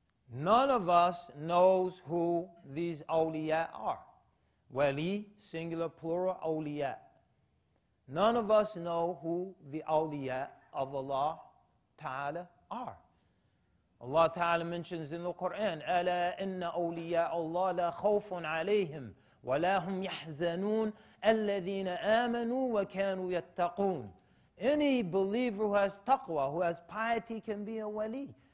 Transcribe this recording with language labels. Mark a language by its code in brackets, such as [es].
[en] None of us knows who these awliya are. Wali, singular, plural, awliya. None of us know who the awliya of Allah Ta'ala are. Allah Ta'ala mentions in the Quran, [ar] أَلَا إِنَّ أَوْلِيَاءَ اللَّهِ لَا خَوْفٌ عَلَيْهِمْ وَلَا هُمْ يَحْزَنُونَ الَّذِينَ آمَنُوا وَكَانُوا يَتَّقُونَ. [en] Any believer who has taqwa, who has piety, can be a wali.